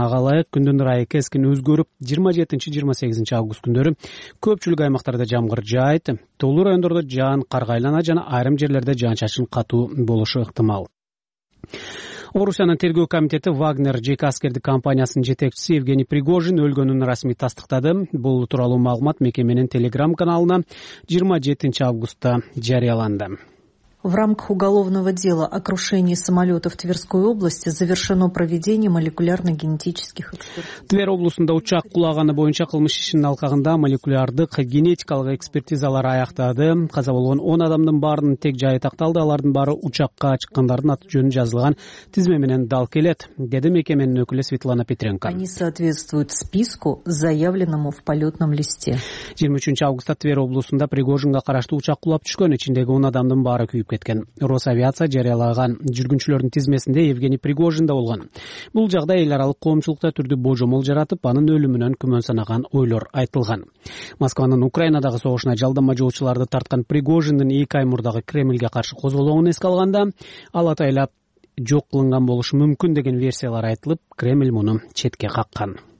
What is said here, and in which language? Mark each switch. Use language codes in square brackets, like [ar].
[ky] Ага ылайык, күндүн ырайы кескин өзгөрүп, 27-28 август күндөрү көпчүлүк аймактарда жамгыр жаайт, тоолуу райондордо жаан карга айлана жана айрым жерлерде жаан чачын катуу болушу ыктымал. Орусиянын тергөө комитети Вагнер жеке аскердик компаниясынын жетекчиси Евгений Пригожин өлгөнүн расмий тастыктады. Бул тууралуу маалымат мекеменин телеграм каналына 27 августта жарыяланды. [ru] В рамках уголовного дела о крушении самолета в Тверской области завершено проведение молекулярно-генетических экспертиз. [ky] Твер облусунда учак кулаганы боюнча кылмыш ишинин алкагында молекулярдык генетикалык экспертизалар аяктады. Каза болгон 10 адамдын баарынын тек жайы такталды. Алардын баары учакка чыккандардын аты жөнү жазылган тизме менен дал келет, деди мекеменин өкүлү Светлана Петренко. [ru] Они соответствуют списку, заявленному в полетном листе. [ky] 23 августта Твер облусунда Пригожинга караштуу учак кулап түшкөн, ичиндеги 10 адамдын баары күйүп кеткен. Росавиация жарыялаган жүргүнчүлөрдүн тизмесинде Евгений Пригожин да болгон. Бул жагдай эл аралык коомчулукта түрдүү божомол жаратып, анын өлүмүнөн күмөн санаган ойлор айтылган. Москванын Украинадагы согушуна жалдама жолчуларды тарткан Пригожиндин 2 ай мурдагы Кремльге каршы козголоонун эске алганда, ал атайлап жок кылынган болушу мүмкүн деген версиялар айтылып, Кремль муну четке каккан.